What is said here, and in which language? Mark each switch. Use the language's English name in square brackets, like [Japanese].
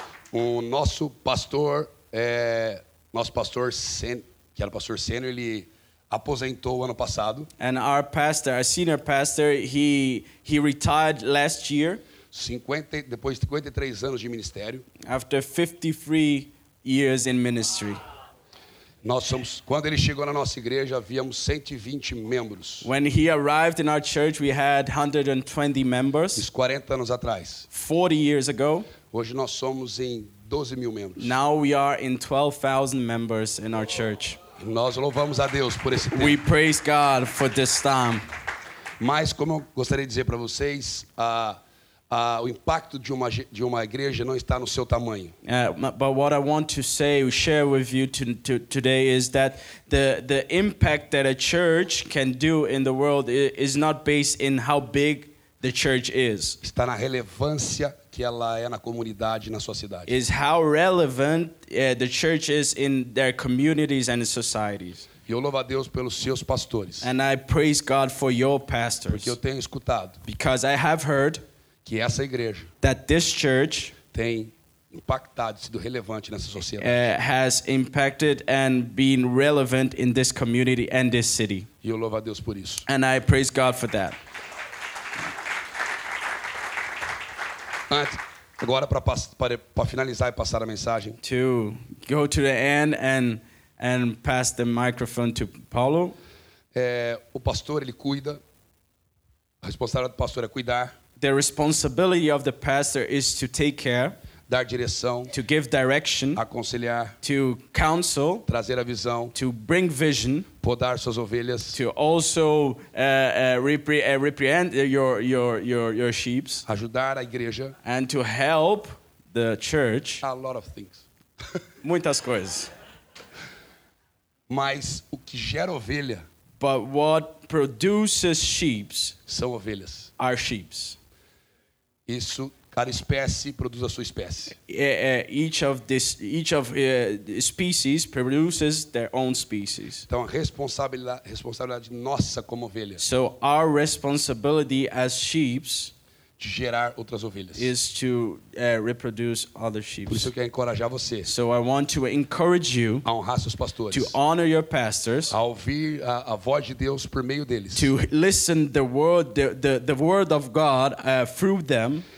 [Portuguese] O nosso pastor que era pastor sênior, ele aposentou ano passado. [English] And our pastor, our senior pastor, he retired last year. [Portuguese] Depois de 53 anos de ministério. [English] After 53 years in ministry. [Portuguese] Quando ele chegou na nossa igreja, havíamos 120 membros. [English] When he arrived in our church, we had 120 members. [Portuguese] Isso 40 anos atrás. [English] 40 years ago. [Portuguese] Hoje nós somos em 12 mil membros. [English] Now we are in 12,000 members in our church. [Portuguese] Nós louvamos a Deus por esse tempo. [English] We praise God for this time. [Portuguese] Mas como eu gostaria de dizer para vocês, o impacto de uma igreja não está no seu tamanho. [English] But what I want to say, share with you today is that the impact that a church can do in the world is not based in how big the church is. [Portuguese] Está na relevância que ela é na comunidade, na sua cidade. [English] Is how relevant the church is in their communities and societies. [Portuguese] E eu louvo a Deus pelos seus pastores. [English] And I praise God for your pastors. [Portuguese] Porque eu tenho escutado. [English] Because I have heard [Portuguese] que essa igreja [English] that this church [Portuguese] tem impactado, sido relevante nessa sociedade. [English] Has impacted and been relevant in this community and this city. [Portuguese] E eu louvo a Deus por isso. [English] And I praise God for that. [Portuguese] Agora para finalizar e passar a mensagem. [English] To go to the end and pass the microphone to Paulo. [Portuguese] O pastor ele cuida. A responsabilidade do pastor é cuidar. [English] The responsibility of the pastor is to take care. [Portuguese] Dar direção. [English] To give direction. [Portuguese] Aconselhar. [English] To counsel. [Portuguese] Trazer a visão. [English] To bring vision. [Portuguese] Podar suas ovelhas. [English] To also reprehend your sheep. [Portuguese] Ajudar a igreja. [English] And to help the church. A lot of things. [Portuguese] Muitas coisas. Mas o que gera ovelha. [English] But what produces sheep. [Portuguese] São ovelhas. [English] Are sheep. [Portuguese] Isso. Cada espécie produz a sua espécie. [English] Each of the species produces their own species. [Portuguese] Então a responsabilidade nossa como ovelhas. [English] So our responsibility as sheep [Portuguese] de gerar outras ovelhas. [English] Is to reproduce other sheep. [Portuguese] Por isso eu quero encorajar você. [English] So I want to encourage you [Portuguese] a honrar seus pastores. [English] To honor your pastors. [Portuguese] A ouvir a voz de Deus por meio deles. [English] To listen the word of God through them.